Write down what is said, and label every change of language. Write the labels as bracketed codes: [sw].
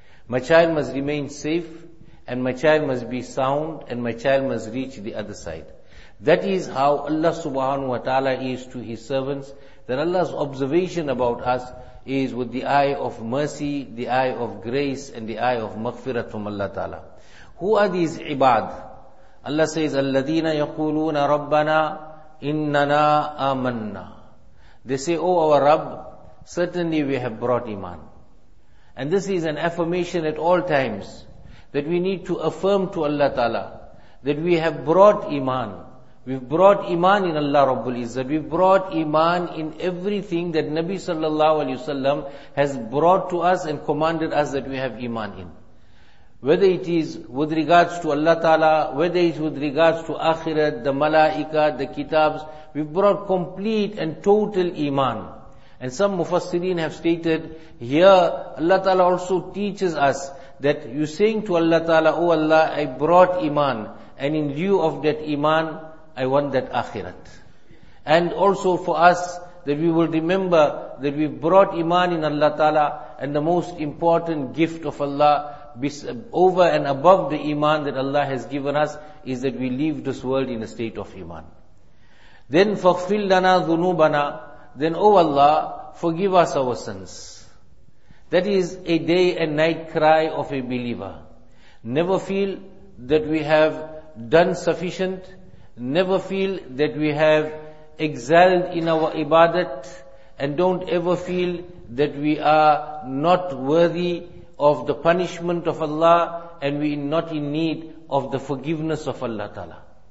[en] My child must remain safe, and my child must be sound, and my child must reach the other side. That is how Allah subhanahu wa ta'ala is to His servants, that Allah's observation about us is with the eye of mercy, the eye of grace, and the eye of maghfirat from Allah ta'ala. Who are these ibad? [ar] Allah says, الَّذِينَ يَقُولُونَ رَبَّنَا إِنَّنَا آمَنَّا. [en] They say, O our Rabb, certainly we have brought iman. And this is an affirmation at all times, that we need to affirm to Allah ta'ala, that we have brought iman. We've brought iman in Allah Rabbul Izzat. We've brought iman in everything that Nabi sallallahu alayhi wa sallam has brought to us and commanded us that we have iman in. Whether it is with regards to Allah ta'ala, whether it is with regards to akhirat, the malaika, the kitabs, we've brought complete and total iman. And some mufassirin have stated, here Allah ta'ala also teaches us that you saying to Allah ta'ala, O Allah, I brought iman, and in lieu of that iman, I want that akhirat. And also for us, that we will remember that we brought iman in Allah ta'ala, and the most important gift of Allah over and above the iman that Allah has given us is that we leave this world in a state of iman. [ar] Then, فَغْفِرْ لَنَا ذُنُوبَنَا. [en] Then, O Allah, forgive us our sins. That is a day and night cry of a believer. Never feel that we have done sufficient. Never feel that we have excelled in our ibadat. And don't ever feel that we are not worthy of the punishment of Allah, and we are not in need of the forgiveness of Allah Ta'ala.